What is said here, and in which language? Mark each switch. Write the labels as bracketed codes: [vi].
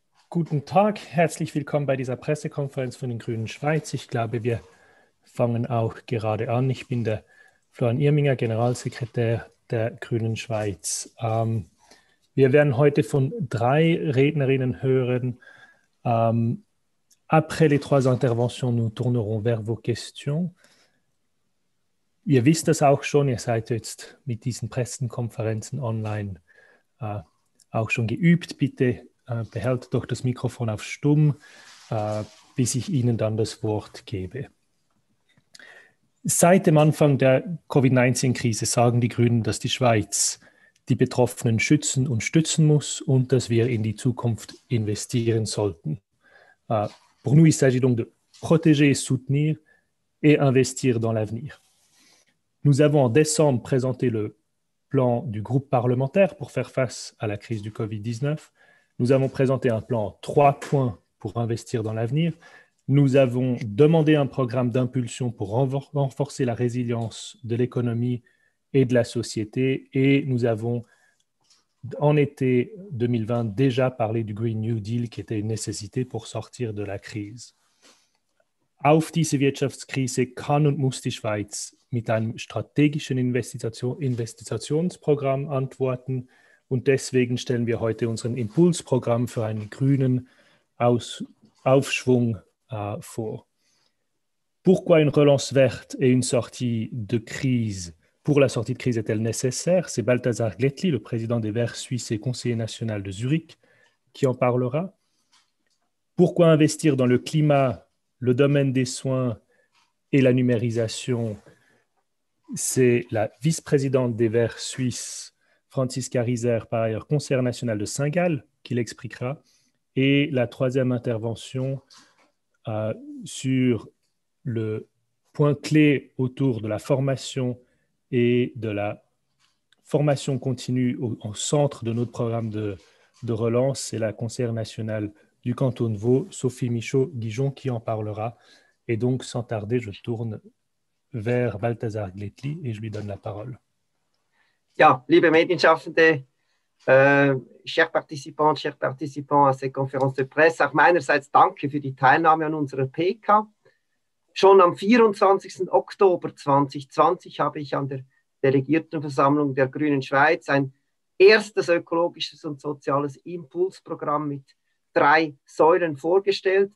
[de] Guten Tag, herzlich willkommen bei dieser Pressekonferenz von den Grünen Schweiz. Ich glaube, wir fangen auch gerade an. Ich bin der Florian Irminger, Generalsekretär der Grünen Schweiz. Wir werden heute von drei Rednerinnen hören. [fr] Après les trois interventions, nous tournerons vers vos questions. [de] Ihr wisst das auch schon, ihr seid jetzt mit diesen Pressekonferenzen online auch schon geübt. Bitte behält doch das Mikrofon auf stumm, bis ich Ihnen dann das Wort gebe. Seit dem Anfang der Covid-19-Krise sagen die Grünen, dass die Schweiz die Betroffenen schützen und stützen muss und dass wir in die Zukunft investieren sollten. [fr] Pour nous, il s'agit donc de protéger et soutenir et investir dans l'avenir. Nous avons en décembre présenté le plan du groupe parlementaire pour faire face à la crise du Covid-19. Nous avons présenté un plan en trois points pour investir dans l'avenir. Nous avons demandé un programme d'impulsion pour renforcer la résilience de l'économie et de la société. Et nous avons, en été 2020, déjà parlé du Green New Deal qui était une nécessité pour sortir de la crise. [de] Auf diese Wirtschaftskrise kann und muss die Schweiz mit einem strategischen Investitionsprogramm antworten. Und deswegen stellen wir heute unseren Impulsprogramm für einen grünen Aufschwung vor. [fr] Pourquoi une relance verte et une sortie de crise, pour la sortie de crise est-elle nécessaire? C'est Balthasar Gletli, le président des Verts suisses et conseiller national de Zurich, qui en parlera. Pourquoi investir dans le climat, le domaine des soins et la numérisation? C'est la vice-présidente des Verts suisses, Franziska Riser, par ailleurs conseillère nationale de Saint-Gall, qui l'expliquera. Et la troisième intervention sur le point clé autour de la formation et de la formation continue au centre de notre programme de relance, c'est la conseillère nationale du canton de Vaud, Sophie Michaud-Guijon, qui en parlera. Et donc, sans tarder, je tourne vers Balthasar Gletli et je lui donne la parole. [de] Ja, liebe Medienschaffende, [fr] chers participants à ces conférences de presse, [de] auch meinerseits danke für die Teilnahme an unserer PK. Schon am 24. Oktober 2020 habe ich an der Delegiertenversammlung der Grünen Schweiz ein erstes ökologisches und soziales Impulsprogramm mit drei Säulen vorgestellt.